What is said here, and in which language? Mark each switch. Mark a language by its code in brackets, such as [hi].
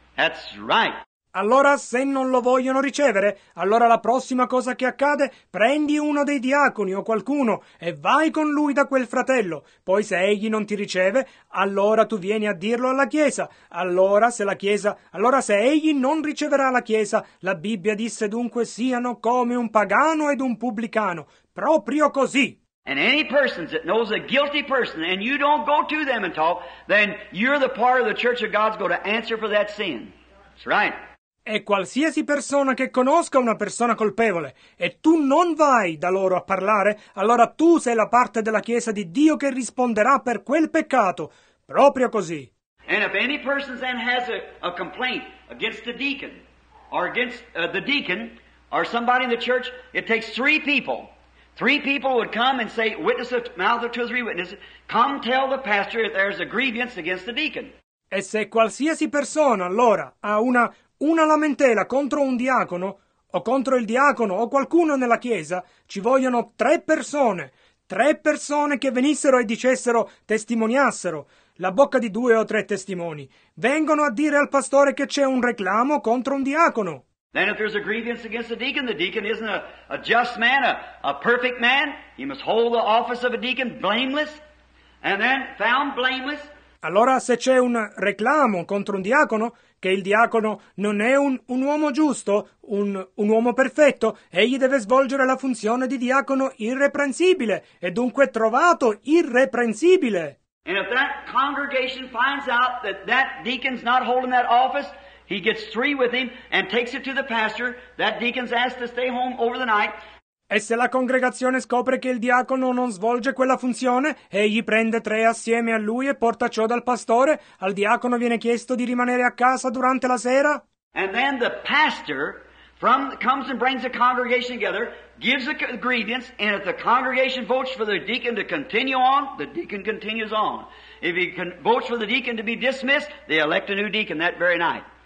[en] That's right. [it] Allora, se non lo vogliono ricevere, allora la prossima cosa che accade, prendi uno dei diaconi o qualcuno e vai con lui da quel fratello. Poi se egli non ti riceve, allora tu vieni a dirlo alla chiesa. Allora se egli non riceverà la chiesa, la Bibbia disse dunque siano come un pagano ed un pubblicano. Proprio così. [en] And any person that knows a guilty person and you don't go to them and talk, then you're the part of the church of God's going to answer for that sin. That's right. [it] E qualsiasi persona che conosca una persona colpevole e tu non vai da loro a parlare, allora tu sei la parte della Chiesa di Dio che risponderà per quel peccato. Proprio così. [en] And if any person then has a complaint against the deacon or against the deacon or somebody in the church, it takes three people. Three people would come and say, witness of mouth of two or three witnesses, come tell the pastor if there's a grievance against the deacon. [it] E se qualsiasi persona, allora, ha una lamentela contro un diacono, o contro il diacono, o qualcuno nella chiesa, ci vogliono tre persone che venissero e dicessero, testimoniassero, la bocca di due o tre testimoni. Vengono a dire al pastore che c'è un reclamo contro un diacono. [en] Then if there's a grievance against the deacon isn't a just man, a perfect man. He must hold the office of a deacon blameless, and then found blameless. [it] Allora se c'è un reclamo contro un diacono, che il diacono non è un uomo giusto, un uomo perfetto, egli deve svolgere la funzione di diacono irreprensibile, e dunque trovato irreprensibile. [en] And if that congregation finds out that deacon's not holding that office, he gets three with him and takes it to the pastor. That deacon's asked to stay home over the night. [it] E se la congregazione scopre che il diacono non svolge quella funzione, egli prende tre assieme a lui e porta ciò dal pastore, al diacono viene chiesto di rimanere a casa durante la sera. [en] And then the pastor comes and brings the congregation together, gives a grievance, and if the congregation votes for the deacon to continue on, the deacon continues on. If he votes for the deacon to be dismissed, they elect a new deacon that very night.